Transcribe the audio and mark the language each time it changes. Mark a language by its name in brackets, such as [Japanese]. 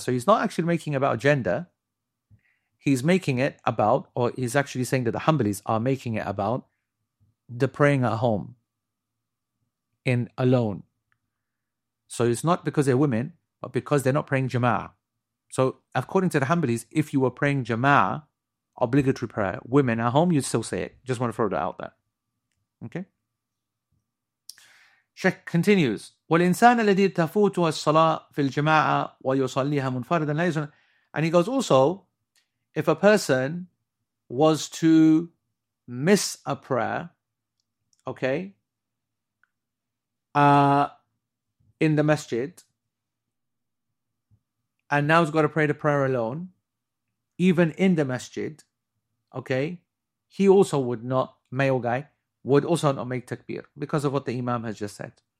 [English] So he's not actually making about gender. He's making it about, or he's actually saying that the Hanbalis are making it about the praying at home, in alone. So it's not because they're women, but because they're not praying Jama'ah. So according to the Hanbalis, if you were praying Jama'ah, obligatory prayer, women at home, you'd still say it. Just want to throw that out there. Okay? Sheikh continues, [Arabic] والإنسان الذي تفوت الصلاة في الجماعة ويصليها منفردا لا يصلي. [English] And he goes, also, if a person was to miss a prayer, okay, in the masjid, and now he's got to pray the prayer alone, even in the masjid, okay, he also would not, male guy, would also not make takbir because of what the imam has just said.